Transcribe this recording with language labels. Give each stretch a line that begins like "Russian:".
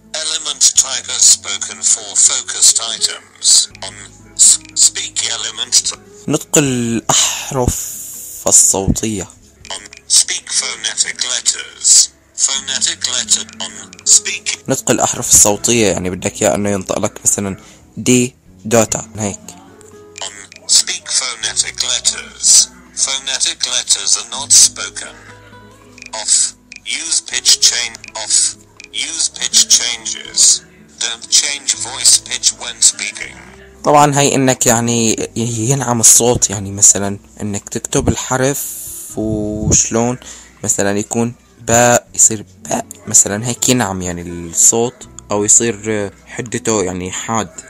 English: Element type is spoken for focused items. Speak element type.
Arabic: نطق الأحرف الصوتية.
English: Speak phonetic letters. Phonetic letter. Speak.
Arabic: نطق الأحرف الصوتية، يعني بدك يا انه ينطق لك مثلا دي داتا هيك.
English: Speak phonetic letters. Phonetic letters are not spoken. Off. Use pitch change. Off. Use pitch changes. Don't change voice pitch when speaking.
Arabic: طبعا هي انك يعني ينعم الصوت، يعني مثلا انك تكتب الحرف وشلون مثلا يكون باء يصير باء مثلا، هيك ينعم يعني الصوت او يصير حدته يعني حاد.